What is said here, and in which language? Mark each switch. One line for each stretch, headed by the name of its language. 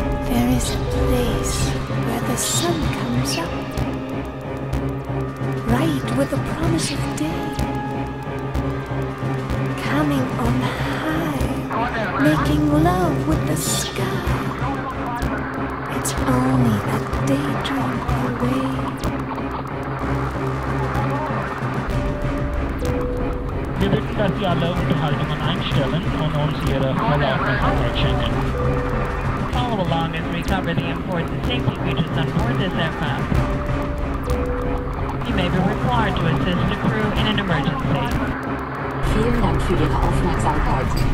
English: There is a place where the sun comes up, right with the promise of day, coming on high, making love with the sky. It's only a daydream away.
German: Wir bitten, dass Sie alle Unterhaltungen einstellen und uns Ihre volle Aufmerksamkeit schenken.
English: Follow along as we cover the important safety features on board this aircraft. You may be required to assist the crew in an emergency.
German: Vielen Dank für Ihre Aufmerksamkeit.